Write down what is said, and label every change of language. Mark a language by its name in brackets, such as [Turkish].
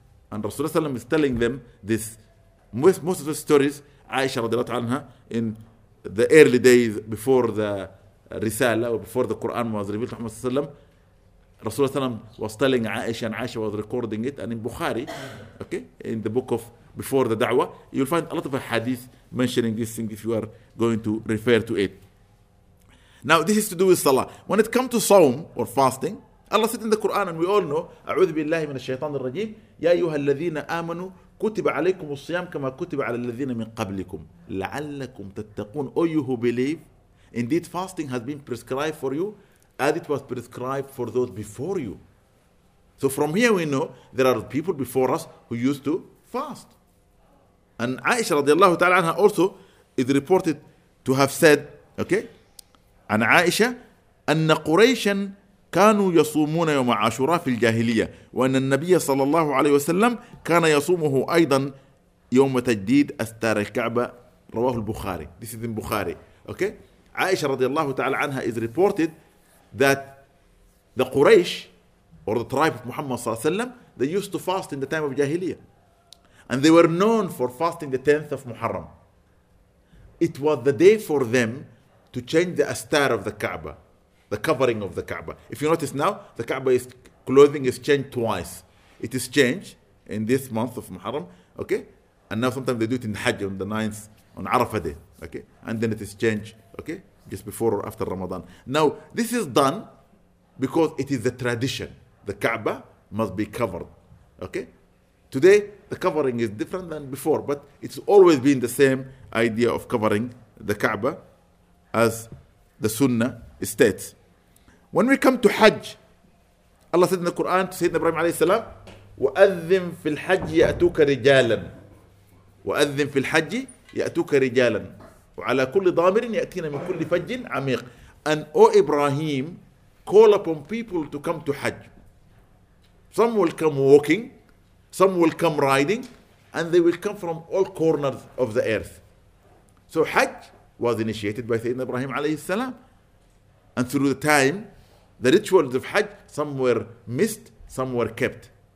[English] And Rasulullah is telling them this. Most of the stories, Aisha radiallahu anha, in the early days before the Risala, or before the Quran was revealed to Muhammad sallallahu alayhi wa sallam, Rasulullah was telling Aisha, and Aisha was recording it, and in Bukhari, okay, in the book of before the da'wah, you'll find a lot of hadith mentioning this thing if you are going to refer to it. Now, this is to do with salah. When it comes to sawm or fasting, Allah said in the Quran, and we all know, [Arabic] أَعُوذُ بِاللَّهِ مِنَ الشَّيْطَانِ الرَّجِيمِ يَا أَيُّهَا الَّذِينَ آمَنُوا كُتِبَ عَلَيْكُمُ الصِّيَامُ كَمَا كُتِبَ عَلَى الَّذِينَ مِنْ قَبْلِكُمْ لَعَلَّكُمْ تَتَّقُونَ. [English] Oh, you who believe, indeed fasting has been prescribed for you as it was prescribed for those before you. So from here we know there are people before us who used to fast. And Aisha radiallahu ta'ala anha also is reported to have said, okay, [Arabic] عن عائشة أن قريشا كانوا يصومون يوم عاشوراء في الجاهلية وأن النبي صلى الله عليه وسلم كان يصومه أيضا يوم تجديد أستار الكعبة. رواه البخاري. [English] This is in Bukhari. Okay. عائشة رضي الله تعالى عنها is reported that the Quraysh or the tribe of Muhammad صلى الله عليه وسلم, they used to fast in the time of Jahiliyyah, and they were known for fasting the 10th of Muharram. It was the day for them to change the astar of the Kaaba, the covering of the Kaaba. If you notice now, the Kaaba is clothing is changed twice. It is changed in this month of Muharram, okay? And now sometimes they do it in Hajj on the 9th, on Arafah day, okay? And then it is changed, okay? Just before or after Ramadan. Now, this is done because it is the tradition. The Kaaba must be covered, okay? Today, the covering is different than before, but it's always been the same idea of covering the Kaaba, as the Sunnah states. When we come to Hajj, Allah said in the Quran to Sayyidina Ibrahim alayhi salam, [Arabic] وَأَذِّن فِي الْحَجِّ يَأْتُوكَ رِجَالًا وَأَذِّن فِي الْحَجِّ يَأْتُوكَ رِجَالًا وَعَلَى كُلِّ ضَامِرٍ يَأْتِينَ مِنْ كُلِّ فَجٍّ عَمِيقٍ. [English] And O Ibrahim, call upon people to come to Hajj. Some will come walking, some will come riding, and they will come from all corners of the earth. So Hajj was initiated by Sayyidina Ibrahim alayhi salam. And through the time, the rituals of Hajj, some were missed, some were kept.